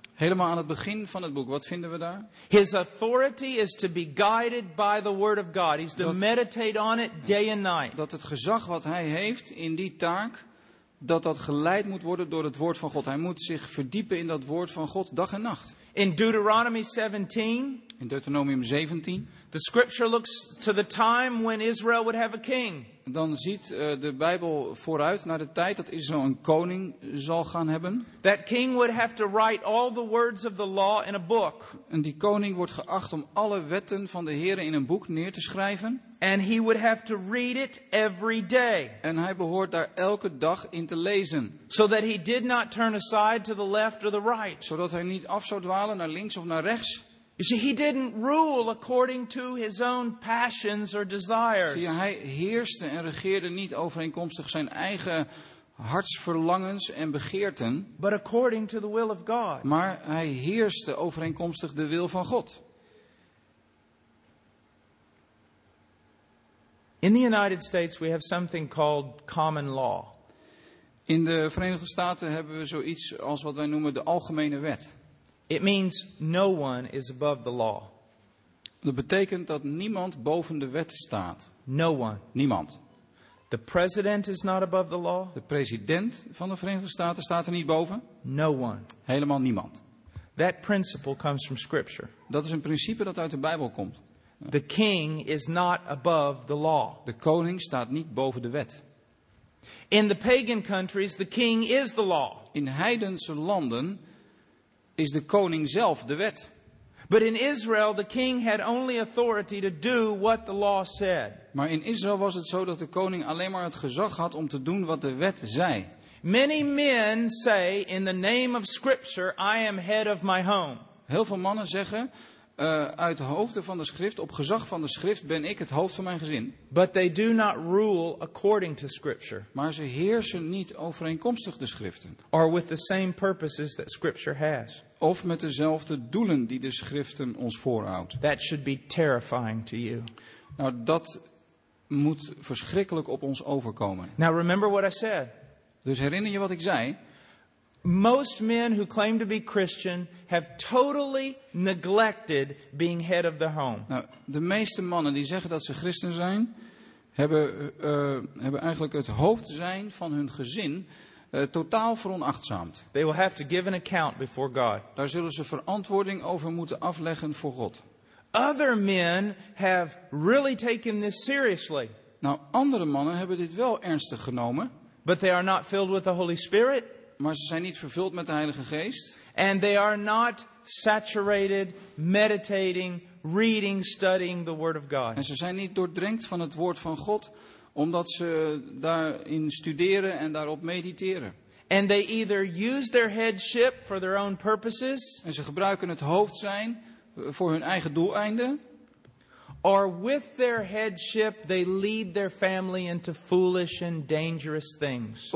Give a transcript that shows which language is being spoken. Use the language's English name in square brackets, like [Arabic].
[Dutch] Helemaal aan het begin van het boek, wat vinden we daar? [English] His authority is to be guided by the word of God. He's to meditate on it day and night. [Dutch] Dat het gezag wat hij heeft in die taak, dat geleid moet worden door het woord van God. Hij moet zich verdiepen in dat woord van God dag en nacht. [English] In Deuteronomy 17. [Dutch] In Deuteronomium 17. [English] The scripture looks to the time when Israel would have a king. [Dutch] dan ziet de Bijbel vooruit naar de tijd dat Israël een koning zal gaan hebben. [English] That king would have to write all the words of the law in a book. [Dutch] En die koning wordt geacht om alle wetten van de Heere in een boek neer te schrijven. [English] And he would have to read it every day. [Dutch] En hij behoort daar elke dag in te lezen. [English] So that he did not turn aside to the left or the right. [Dutch] Zodat hij niet af zou dwalen naar links of naar rechts. [English] You see, he didn't rule according to his own passions or desires. [Dutch] Zie je, hij heerste en regeerde niet overeenkomstig zijn eigen hartsverlangens en begeerten. [English] But according to the will of God. [Dutch] Maar hij heerste overeenkomstig de wil van God. [English] In the United States we have something called common law. [Dutch] In de Verenigde Staten hebben we zoiets als wat wij noemen de algemene wet. [English] It means no one is above the law. [Dutch] Dat betekent dat niemand boven de wet staat. [English] No one. [Dutch] Niemand. [English] The president is not above the law. [Dutch] De president van de Verenigde Staten staat er niet boven. [English] No one. [Dutch] Helemaal niemand. [English] That principle comes from scripture. [Dutch] Dat is een principe dat uit de Bijbel komt. [English] The king is not above the law. [Dutch] De koning staat niet boven de wet. [English] In the pagan countries, the king is the law. [Dutch] In heidense landen is de koning zelf de wet. [English] But in Israel, the king had only authority to do what the law said. [Dutch] Maar in Israël was het zo dat de koning alleen maar het gezag had om te doen wat de wet zei. [English] Many men say, in the name of Scripture, I am head of my home. [Dutch] Heel veel mannen zeggen, uit hoofden van de schrift, op gezag van de schrift, ben ik het hoofd van mijn gezin. [English] But they do not rule according to scripture. [Dutch] Maar ze heersen niet overeenkomstig de schriften. [English] Or with the same purposes that scripture has. [Dutch] Of met dezelfde doelen die de schriften ons voorhoudt. [English] That should be terrifying to you. [Dutch] Nou, dat moet verschrikkelijk op ons overkomen. [English] Now remember what I said. [Dutch] Dus herinner je wat ik zei? [English] Most men who claim to be Christian have totally neglected being head of the home. [Dutch] Nou, de meeste mannen die zeggen dat ze christen zijn, hebben eigenlijk het hoofd zijn van hun gezin totaal veronachtzaamd. [English] They will have to give an account before God. [Dutch] Daar zullen ze verantwoording over moeten afleggen voor God. [English] Other men have really taken this seriously. [Dutch] Nou, andere mannen hebben dit wel ernstig genomen. [English] But they are not filled with the Holy Spirit. [Dutch] Maar ze zijn niet vervuld met de Heilige Geest. [English] And they are not saturated, meditating, reading, studying the Word of God. [Dutch] En ze zijn niet doordrenkt van het Woord van God, omdat ze daarin studeren en daarop mediteren. [English] And they either use their headship for their own purposes. [Dutch] En ze gebruiken het hoofd zijn voor hun eigen doeleinden. [English] Or with their headship they lead their family into foolish and dangerous things.